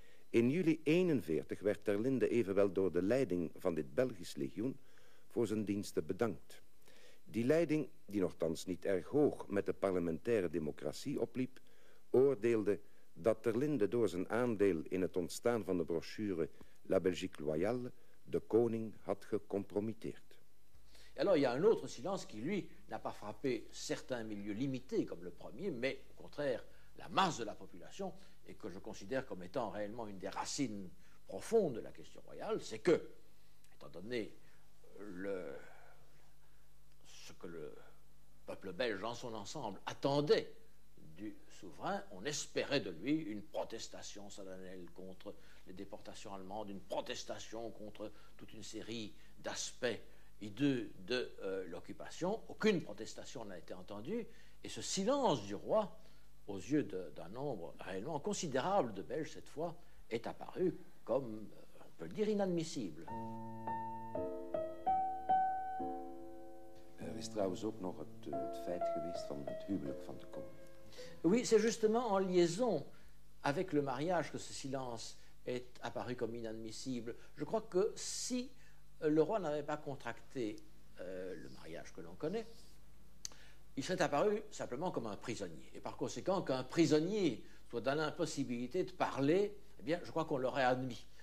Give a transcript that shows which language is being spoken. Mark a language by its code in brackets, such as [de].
[nl] In juli 1941 werd Ter Linde evenwel door de leiding van dit Belgisch Legioen voor zijn diensten bedankt. Die leiding, die nogthans niet erg hoog met de parlementaire democratie opliep, oordeelde dat Ter Linde door zijn aandeel in het ontstaan van de brochure La Belgique Loyale de koning had gecompromitteerd. [fr] Alors, il y a un autre silence qui, lui, n'a pas frappé certains milieux limités comme le premier, mais au contraire, la masse de la population, et que je considère comme étant réellement une des racines profondes de la question royale, c'est que, étant donné ce que le peuple belge en son ensemble attendait du souverain, on espérait de lui une protestation solennelle contre les déportations allemandes, une protestation contre toute une série d'aspects hideux de l'occupation. Aucune protestation n'a été entendue, et ce silence du roi, aux yeux d'un nombre réellement considérable de Belges cette fois, est apparu comme, on peut le dire, inadmissible. [nl] Er is trouwens ook nog het feit geweest van het huwelijk van de koning. [fr] Oui, c'est justement en liaison avec le mariage que ce silence est apparu comme inadmissible. Je crois que si le roi n'avait pas contracté le mariage que l'on connaît, il serait apparu simplement comme un prisonnier. Et par conséquent, qu'un prisonnier soit dans l'impossibilité de parler, eh bien, je crois qu'on l'aurait admis.